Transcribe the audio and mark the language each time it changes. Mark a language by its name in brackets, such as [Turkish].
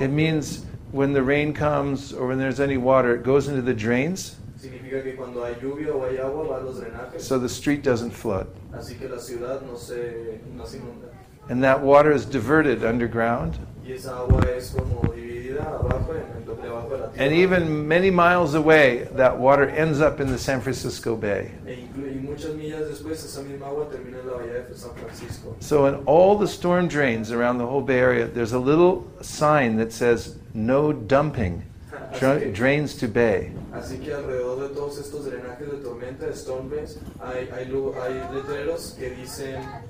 [English] it means when the rain comes or when there's any water, it goes into the drains. [Spanish] Significa que cuando hay lluvia o hay agua, va a los drenajes. [English] So the street doesn't flood. [Spanish] Así que la ciudad no se inunda. [English] And that water is diverted underground. [Spanish] Y esa agua es como dividida abajo en el doble abajo de la tierra. [English] And even many miles away, that water ends up in the San Francisco Bay. [Spanish] Y muchas millas después, esa misma agua termina en la bahía de San Francisco. [English] So in all the storm drains around the whole Bay Area, there's a little sign that says, no dumping, drains to bay. [Spanish] Así que alrededor de todos estos drenajes de tormenta, de storm drains, hay letreros que dicen,